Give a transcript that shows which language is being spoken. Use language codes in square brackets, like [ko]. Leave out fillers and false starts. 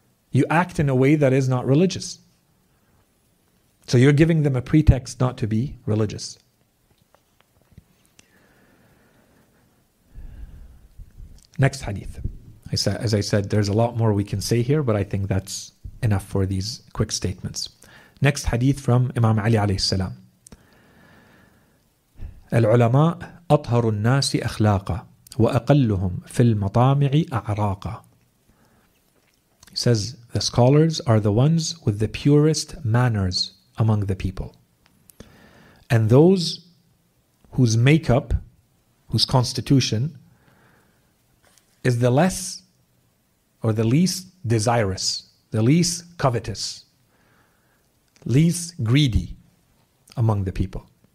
[en] You act in a way that is not religious. So you're giving them a pretext not to be religious. Next hadith. As I said, there's a lot more we can say here, but I think that's enough for these quick statements. Next hadith from Imam Ali alayhi salam. [ar] العلماء أطهر الناس أخلاقا وأقلهم في المطامع أعراقا. [en] He says, the scholars are the ones with the purest manners among the people. And those whose makeup, whose constitution, is the less or the least desirous, the least covetous, least greedy among the people.